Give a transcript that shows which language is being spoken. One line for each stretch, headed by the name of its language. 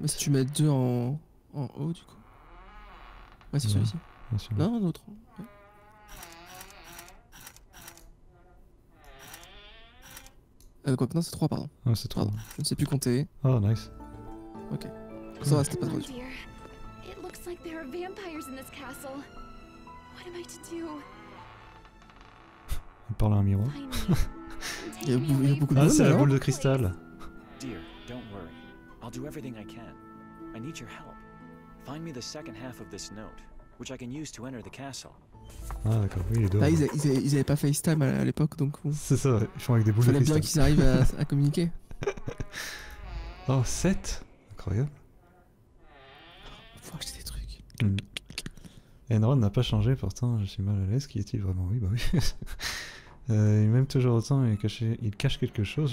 French: Mais si tu mets 2 en. En haut du coup. Ouais c'est celui-ci. Bien sûr. Non, un autre. Ouais. Quoi que non, c'est 3 pardon. Ah c'est 3. Pardon. Je ne sais plus compter. Oh nice. Ok. Cool. Ça va, c'était pas trop dur.
English: It looks like there are vampires in this castle. What am I to do?
French: Il parle à un miroir. il y a beaucoup de monde. Ah c'est la boule de cristal.
English: Dear, don't worry. I'll do everything I can. I need your help. Find me the second half of this note, which I can use to enter the castle.
French: Ah d'accord, oui, il est dehors. Là, ils avaient pas FaceTime à l'époque, donc... C'est ça, ils font avec des boules de cristal. Il fallait bien qu'ils arrivent à communiquer. Oh, 7. Incroyable. Faut acheter des trucs. Enron n'a pas changé, pourtant, je suis mal à l'aise. Qui est-il vraiment? Oui, bah oui. il m'aime toujours autant, mais il cache quelque chose.